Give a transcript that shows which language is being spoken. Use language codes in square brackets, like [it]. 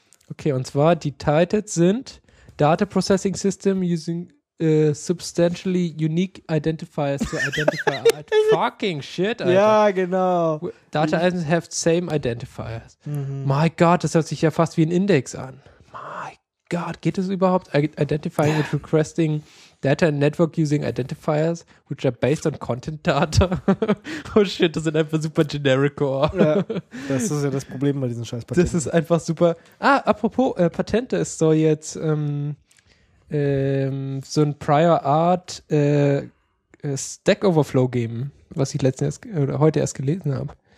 [en] Okay, [de] und zwar die [en] Titles [de] sind [en] Data Processing System using substantially unique identifiers to identify. Fucking shit, Alter. [de] Ja, genau. [en] Data items have same identifiers. Mhm. My God, [de] das hört sich ja fast wie ein Index an. My God, geht es überhaupt? [en] Identifying and requesting data and network using identifiers, which are based on content data. [de] Oh shit, das sind einfach super generic. Oh. Ja, das ist ja das Problem bei diesen scheiß Patenten. Das ist einfach super. Ah, apropos Patente, es soll jetzt so ein Prior Art Stack Overflow geben, was ich heute erst gelesen habe.